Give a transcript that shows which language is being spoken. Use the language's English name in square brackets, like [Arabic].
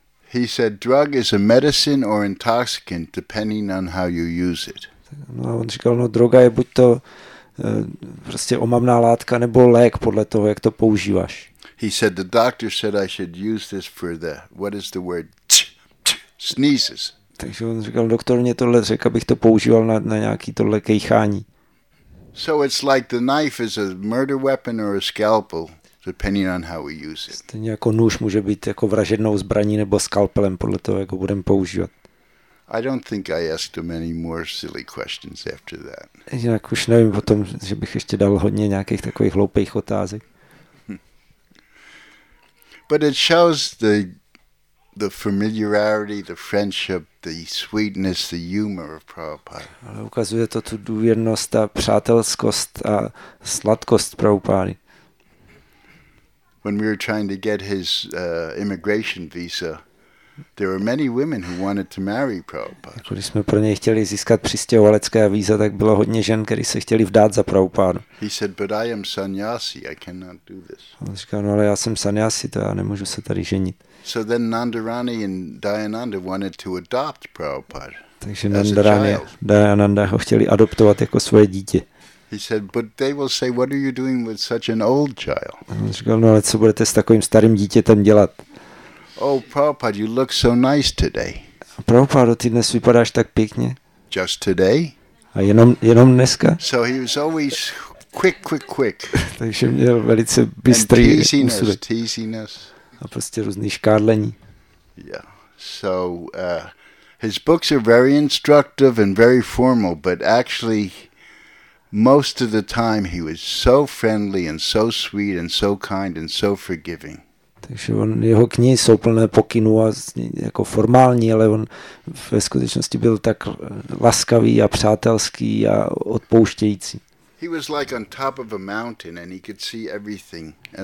[English] He said drug is a medicine or intoxicant depending on how you use it. [Czech] No, on říkal, no droga je buď to prostě omamná látka nebo lék podle toho, jak to používáš. [English] He said the doctor said I should use this for the what is the word sneezes. [Czech] Takže on říkal, doktor mě tohle řekl, abych to používal na nějaký tohle kejchání. [English] So it's like the knife is a murder weapon or a scalpel depending on how we use it. [Czech] Stejně jako nůž může být jako vražednou zbraní nebo skalpelem podle toho, jak ho budeme používat. [English] I don't think I asked him any more silly questions after that. [Czech] Jinak už nevím o tom, že bych ještě dal hodně nějakých takových hloupých otázek. [English] But it shows the the familiarity, the friendship, the sweetness, the humor of Prabhupada. [Czech] Ale ukazuje to tu důvěrnost a přátelskost a sladkost Prabhupády. [English] When we were trying to get his immigration visa, there were many women who wanted to marry Prabhupada. [Czech] Když jsme pro něj chtěli získat přistěhovalecké víza, tak bylo hodně žen, které se chtěly vdát za Prabhupádu. [English] He said, but I am sannyasi, I cannot do this. [Czech] On říkal, no ale já jsem sannyasi, to já nemůžu se tady ženit. [English] So then Nandarani and Dayananda wanted to adopt Prabhupada. [Czech] Takže Nandarani a Dayananda ho chtěli adoptovat jako svoje dítě. [English] He said, but they will say, what are you doing with such an old child? [Czech] On říkal, no ale co budete s takovým starým dítětem dělat? [English] Oh, Prabhupada, you look so nice today. [Czech] Prabhupada, ty dnes vypadáš tak pěkně. [English] Just today? [Czech] A jenom dneska? [English] So he was always quick, quick, quick. [Czech] Takže měl velice bystrý úsudek. [English] And teasiness, [Czech] úsudek. [English] Teasiness. [Czech] A prostě různý škádlení. [English] Yeah. So his books are very instructive and very formal, but actually most of the time he was so friendly and so sweet and so kind and so forgiving. [Czech] Takže on, jeho knihy jsou plné pokynů a jako formální, ale on ve skutečnosti byl tak laskavý a přátelský a odpouštějící. [English] He was like on top of a mountain and he could see everything.